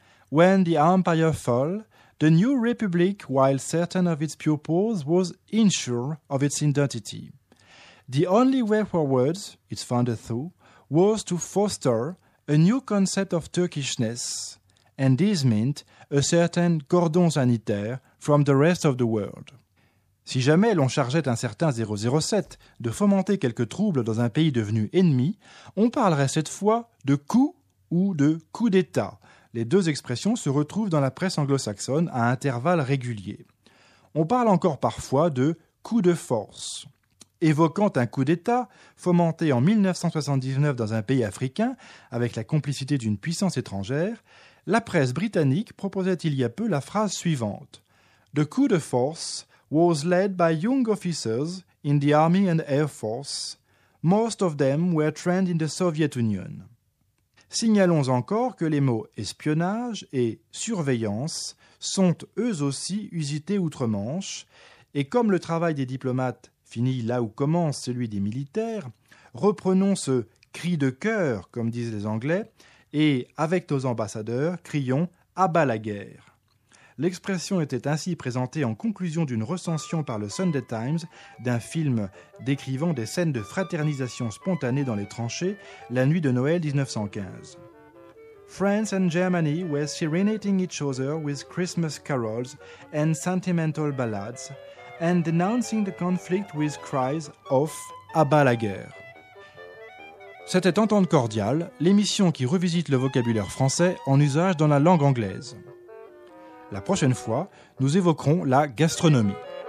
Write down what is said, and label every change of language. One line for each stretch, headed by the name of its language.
English: When the empire fell, the new republic, while certain of its pupils, was unsure of its identity. The only way forward, its founder thought, was to foster a new concept of Turkishness, and this meant a certain cordon sanitaire from the rest of the world.
French: Si jamais l'on chargeait un certain 007 de fomenter quelques troubles dans un pays devenu ennemi, on parlerait cette fois de coup ou de coup d'État. Les deux expressions se retrouvent dans la presse anglo-saxonne à intervalles réguliers. On parle encore parfois de coup de force. Évoquant un coup d'État fomenté en 1979 dans un pays africain avec la complicité d'une puissance étrangère, la presse britannique proposait il y a peu la phrase suivante.
English: « De coup de force » was led by young officers in the Army and Air Force. Most of them were trained in the Soviet Union.
French: Signalons encore que les mots « espionnage » et « surveillance » sont eux aussi usités outre-Manche, et comme le travail des diplomates finit là où commence celui des militaires, reprenons ce « cri de cœur » comme disent les Anglais, et avec nos ambassadeurs, crions « à bas la guerre ». L'expression était ainsi présentée en conclusion d'une recension par le Sunday Times d'un film décrivant des scènes de fraternisation spontanée dans les tranchées la nuit de Noël 1915.
English: France and Germany were serenading each other with Christmas carols and sentimental ballads and denouncing the conflict with cries of «
French: à bas la guerre ». C'était Entente Cordiale, l'émission qui revisite le vocabulaire français en usage dans la langue anglaise. La prochaine fois, nous évoquerons la gastronomie.